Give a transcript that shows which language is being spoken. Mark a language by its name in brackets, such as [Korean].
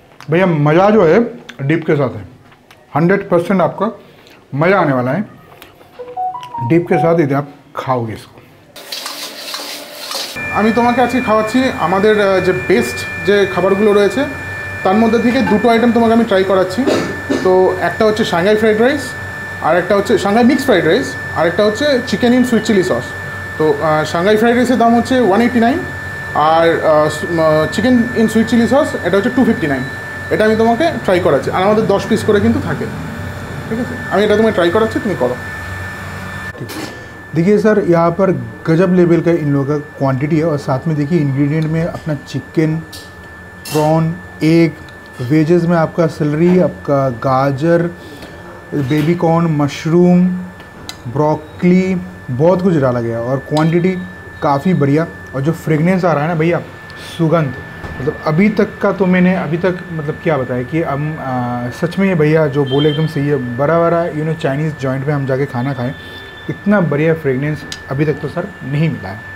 [Hindi] भैया मज़ा जो है डिप के साथ है 100% आपका मज़ा आने वाला है डिप के साथ यदि आप खाओगे इसको। [Bangla] আমি তোমাকে আজকে খাওয়াচ্ছি আমাদের যে বেস্ট যে খাবারগুলো রয়েছে তার মধ্যে থেকে দুটো আইটেম তোমাকে আমি ট্রাই করাচ্ছি। তো একটা হচ্ছে সাংহাই ফ্রাইড রাইস আর একটা হচ্ছে সাংহাই মিক্সড ফ্রাইড রাইস আর একটা হচ্ছে chicken in sweet chilli sauce. তো সাংহাই ফ্রাইড রাইসের দাম হচ্ছে 189 আর chicken in sweet chilli sauce এটা হচ্ছে 259। এটা আমি তোমাকে ট্রাই করাচ্ছি আর আমাদের 10 পিস করে কিন্তু থাকে, ঠিক আছে? আমি এটা তোমাকে ট্রাই করাচ্ছি, তুমি করো। [Hindi] देखिए सर यहाँ पर गजब लेवल का इन लोगों का क्वांटिटी है और साथ में देखिए इंग्रेडिएंट में अपना चिकन प्रॉन एग वेजेस में आपका सेलरी आपका गाजर बेबी कॉर्न मशरूम ब्रोकली बहुत कुछ डाला गया और क्वांटिटी काफ़ी बढ़िया और जो फ्रेगनेंस आ रहा है ना भैया सुगंध मतलब अभी तक का तो मैंने अभी तक मतलब क्या बताया कि हम सच में भैया जो बोले एकदम सही है बराबर यू नो चाइनीज़ जॉइंट में हम जाके खाना खाएँ इतना बढ़िया फ्रेगनेंस अभी तक तो सर नहीं मिला है।